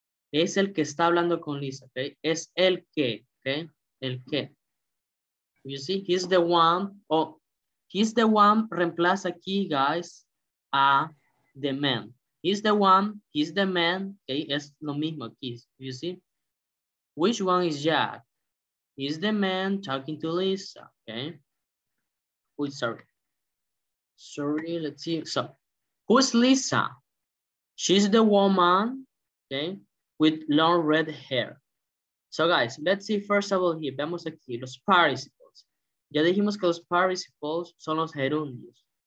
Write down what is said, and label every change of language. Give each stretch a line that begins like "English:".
Spanish: Es el que está hablando con Lisa, okay? Es el que, okay? El que.
English: You see, he's the one, he's the one
Spanish: reemplaza aquí,
English: guys, a the man. He's the one, he's the man, okay?
Spanish: Es lo mismo aquí,
English: you see? Which one is Jack? is the man talking to Lisa, okay? Oh, sorry. Sorry, let's see. So, who's Lisa? She's the woman, okay, with long red hair. So, guys, let's see first of all here.
Spanish: Vemos aquí los
English: participles.
Spanish: Ya dijimos que los participles son los gerundios.